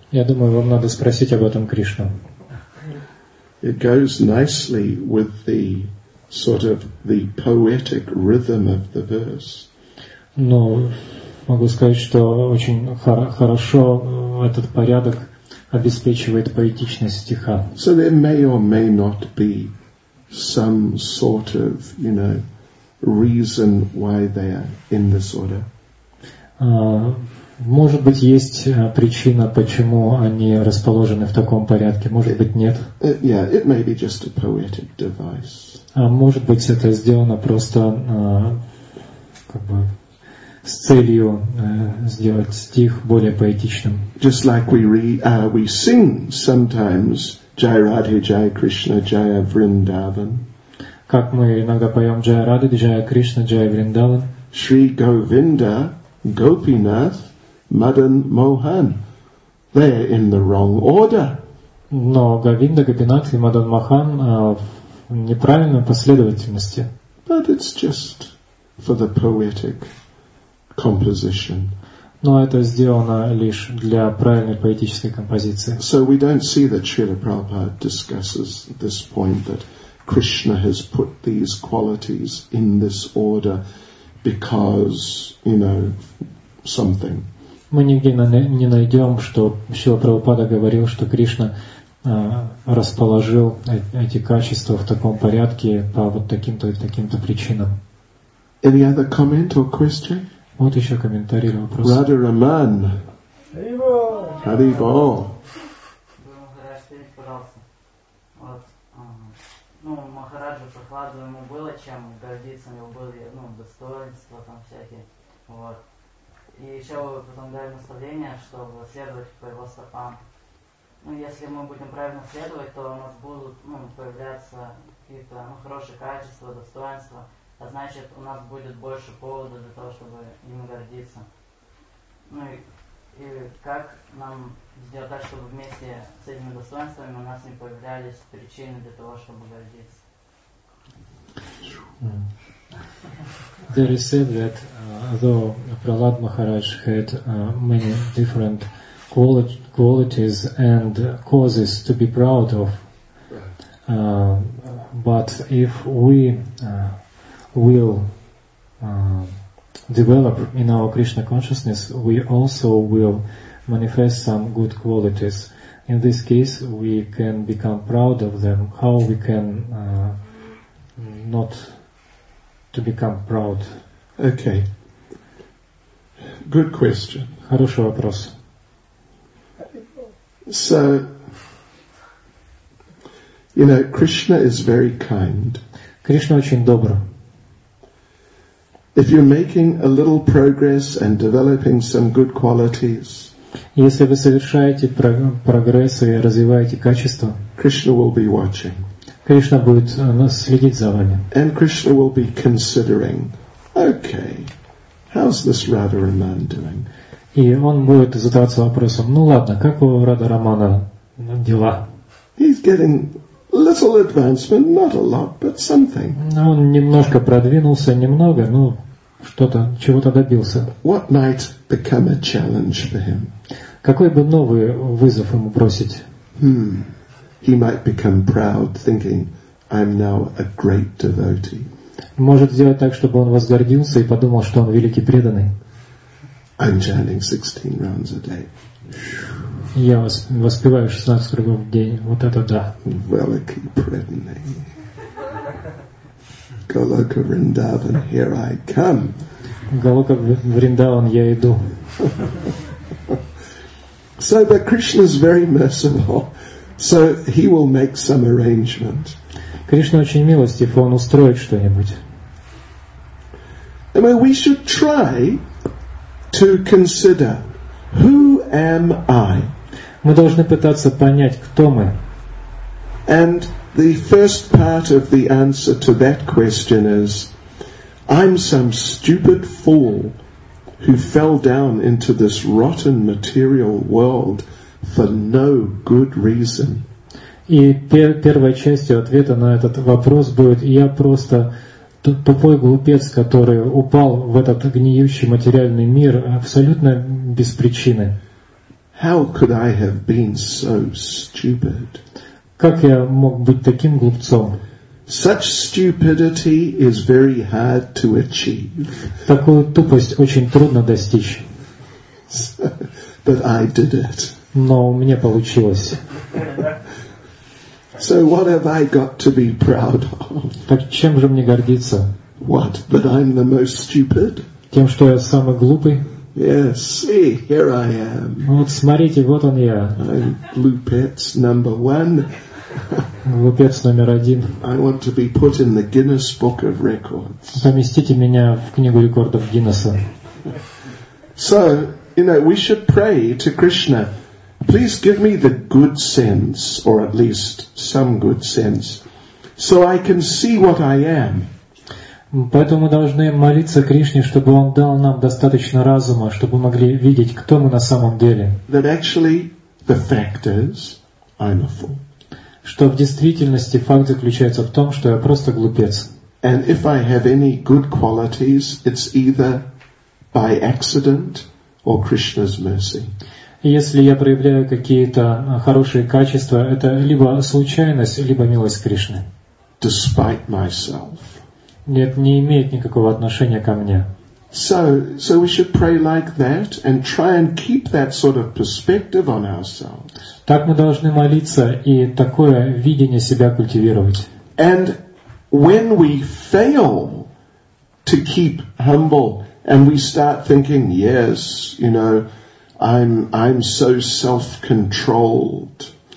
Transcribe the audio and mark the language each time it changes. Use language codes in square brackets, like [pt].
[ru] Я думаю, вам надо спросить об этом Кришну. [en] It goes nicely with the sort of the poetic rhythm of the verse. [ru] Но могу сказать, что очень хорошо этот порядок обеспечивает поэтичность стиха. [en] So there may or may not be some sort of, you know, reason why they are in this order. [ru] Может быть, есть причина, почему они расположены в таком порядке. Может быть, нет. [en] It may be just a poetic device. [ru] А может быть, это сделано просто как бы с целью сделать стих более поэтичным. [en] Just like we sing sometimes Jai Radhe Jai Krishna Jaya Vrindavan. [ru] Как мы иногда поем Jai Radhe Jai Krishna Jaya Vrindavan. [sa] Shri Govinda Gopinath Madan Mohan. [en] They're in the wrong order. [ru] Но Говинда, Гопинат и Мадан Махан в неправильной последовательности. [en] But it's just for the poetic composition. [ru] Но это сделано лишь для правильной поэтической композиции. [en] So we don't see that Srila Prabhupada discusses this point that Krishna has put these qualities in this order because, you know, something. [ru] Мы нигде не найдем, что Шрила Прабхупада говорил, что Кришна расположил эти качества в таком порядке по вот таким-то и таким-то причинам. [en] Any other comment or question? [ru] Вот еще комментарий или вопрос. [sa] Radha Raman. Haribo. Haribo. [ru] Здравствуйте, пожалуйста. Вот, ну, Махараджа Прохладу ему было чем гордиться, у него были, ну, достоинства там всякие, вот. И еще вы потом дали наставление, чтобы следовать по его стопам. Ну, если мы будем правильно следовать, то у нас будут, ну, появляться какие-то, ну, хорошие качества, достоинства. А значит, у нас будет больше повода для того, чтобы им гордиться. Ну и как нам сделать так, чтобы вместе с этими достоинствами у нас не появлялись причины для того, чтобы гордиться? [en] There is said that though Prahlad Maharaj had many different qualities and causes to be proud of, but if we will develop in our Krishna consciousness, we also will manifest some good qualities. In this case, we can become proud of them. How we can not to become proud? Okay. Good question. [ru] Хороший вопрос. [en] So, you know, Krishna is very kind. [ru] Кришна очень добр. [en] If you're making a little progress and developing some good qualities, [ru] если вы совершаете прогресс и развиваете качества, [en] Krishna will be watching. [ru] Кришна будет следить за вами. [en] And Krishna will be considering, okay, how's this Radharaman doing? [ru] И он будет задаваться вопросом, ну ладно, как у Радхарамана дела? [en] He's getting little advancement, not a lot, but something. [ru] Он немножко продвинулся, немного, ну что-то, чего-то добился. [en] What might become a challenge for him? [ru] Какой бы новый вызов ему бросить? Hmm. [en] He might become proud, thinking, "I'm now a great devotee." [ru] Может сделать так, чтобы он возгордился и подумал, что он великий преданный. [en] I'm chanting 16 rounds a day. [ru] Я воспеваю 16 кругов в день. Вот это да. Великий преданный. [en] Голока Вриндаван, here I come. [ru] Голока Вриндаван, я иду. [en] So that Krishna is very merciful. So he will make some arrangement. [ru] Кришна очень милостив, он устроит что-нибудь. [en] I mean, we should try to consider, who am I? [ru] Мы должны пытаться понять, кто мы. [en] And the first part of the answer to that question is, I'm some stupid fool who fell down into this rotten material world for no good reason. [ru] И первая часть ответа на этот вопрос будет: я просто тупой глупец, который упал в этот гниющий материальный мир абсолютно без причины. [en] How could I have been so stupid? [ru] Как я мог быть таким глупцом? [en] Such stupidity is very hard to achieve. [ru] Такую тупость очень трудно достичь. [en] But I did it. [ru] Но у меня получилось. [en] So what have I got to be proud of? [ru] Так чем же мне гордиться? [en] What? That I'm the most stupid? [ru] Тем, что я самый глупый? [en] Yes, see, here I am. [ru] Вот смотрите, вот он я. [en] I'm blue pets number one. [ru] Лупец номер один. [en] I want to be put in the Guinness Book of Records. [ru] Поместите меня в книгу рекордов Гиннесса. [en] So, you know, we should pray to Krishna. Please give me the good sense, or at least some good sense, so I can see what I am. [ru] Поэтому мы должны молиться Кришне, чтобы Он дал нам достаточно разума, чтобы мы могли видеть, кто мы на самом деле. [en] That actually the fact is, I'm a fool. [ru] Что в действительности факт заключается в том, что я просто глупец. [en] And if I have any good qualities, it's either by accident or Krishna's mercy. [ru] Если я проявляю какие-то хорошие качества, это либо случайность, либо милость Кришны. [en] Despite myself. [ru] Нет, не имеет никакого отношения ко мне. [en] So we should pray like that and try and keep that sort of perspective on ourselves. [ru] Так мы должны молиться и такое видение себя культивировать. [en] And when we fail to keep humble and we start thinking, yes, you know, I'm so self-controlled.